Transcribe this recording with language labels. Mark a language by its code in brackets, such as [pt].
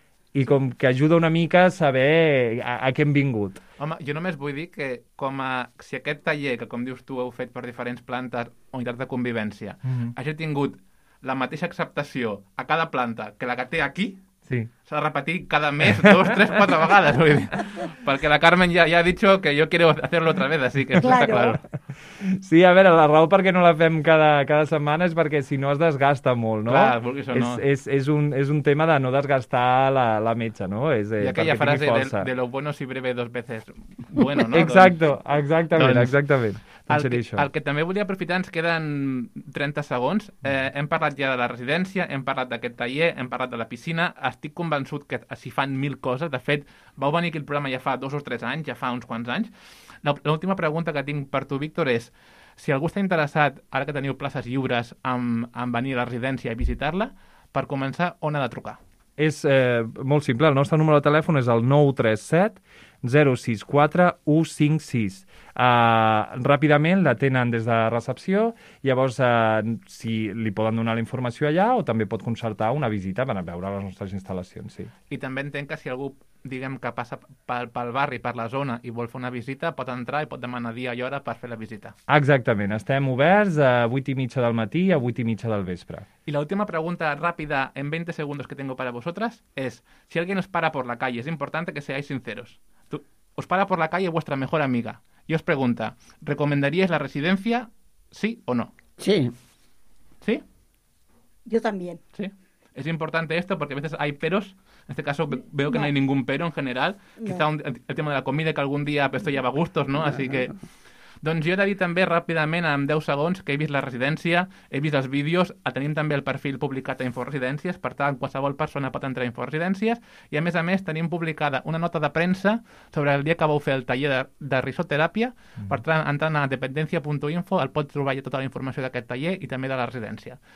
[ca] I com que ajuda una mica saber a què hem vingut. Home, jo només vull dir que si aquest taller, que com dius tu, heu fet per diferents plantes o unitats de convivència, hagi tingut la mateixa acceptació a cada planta que la que té aquí, sí, s'ha de repetir cada mes, dos, tres, quatre vegades. Vull dir, perquè la Carmen ja ha dit que jo [es] quiero hacerlo otra vez, así que claro. [ca] Està clar. Sí, a veure, la raó perquè no la fem cada setmana és perquè si no es desgasta molt, no? Clar, vulguis o no. És un tema de no desgastar la metge, no? I aquella frase de [es] lo bueno si breve dos veces bueno, [ca] no? Exacto, exactament. El que també volia aprofitar, ens queden 30 segons. Hem parlat ja de la residència, hem parlat d'aquest taller, hem parlat de la piscina. Estic convençut que s'hi fan mil coses. De fet, vau venir aquí al programa ja fa dos o tres anys, ja fa uns quants anys. L'última pregunta que tinc per tu, Víctor, és si algú està interessat, ara que teniu places lliures, en venir a la residència i visitar-la, per començar, on ha de trucar? És molt simple. El nostre número de telèfon és el 937-064-156. Ràpidament la tenen des de recepció, llavors si li poden donar la informació allà o també pot concertar una visita per veure les nostres instal·lacions, sí. I també entenc que si algú, diguem, que passa pel barri, per la zona i vol fer una visita, pot entrar i pot demanar dia i hora per fer la visita. Exactament, estem oberts a 8:30 del matí i a 8:30 del vespre. I l'última pregunta ràpida en 20 segons [es] que tengo para vosotras és, si alguien os para por la calle, es importante que seáis sinceros. Os para por la calle vuestra mejor amiga y os pregunta, ¿recomendaríais la residencia, sí o no? Sí. ¿Sí? Yo también. Sí. es importante esto porque a veces hay peros. En este caso veo que no hay ningún pero en general. No. Quizá el tema de la comida, que algún día esto ja va a gustos, ¿no? Así que... [ca] Doncs jo he de dir també ràpidament, en 10 segons, que he vist la residència, he vist els vídeos, tenim també el perfil publicat a InfoResidències, per tant, qualsevol persona pot entrar a InfoResidències, i a més, tenim publicada una nota de premsa sobre el dia que vau fer el taller de risoteràpia, per tant, entrant a dependencia.info, el pot trobar ja tota la informació d'aquest taller i també de la residència.